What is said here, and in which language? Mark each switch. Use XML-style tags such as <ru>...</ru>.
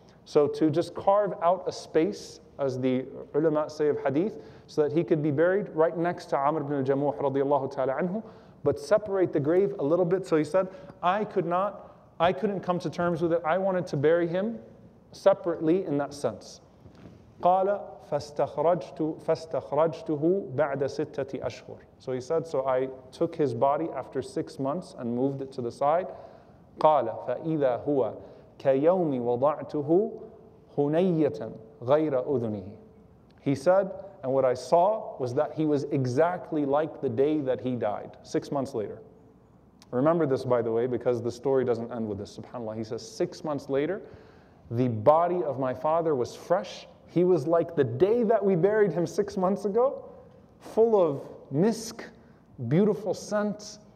<en>So to just carve out a space, as the ulama say of hadith, so that he could be buried right next to Amr ibn al-Jamuh radiallahu ta'ala anhu, but separate the grave a little bit. So he said, I couldn't come to terms with it. I wanted to bury him separately in that sense.</en> <ar>قال فاستخرجته بعد ستة أشهر.</ar> <en>So he said, so I took his body after 6 months and moved it to the side.</en> <ar>قال فإذا هو كيوم وضعته هنية غير أذنه.</ar> <en>He said, and what I saw was that he was exactly like the day that he died, 6 months later. Remember this, by the way, because the story doesn't end with this, subhanAllah. He says, 6 months later, the body of my father was fresh. He was like the day that we buried him 6 months ago, full of misk, beautiful scent.</en>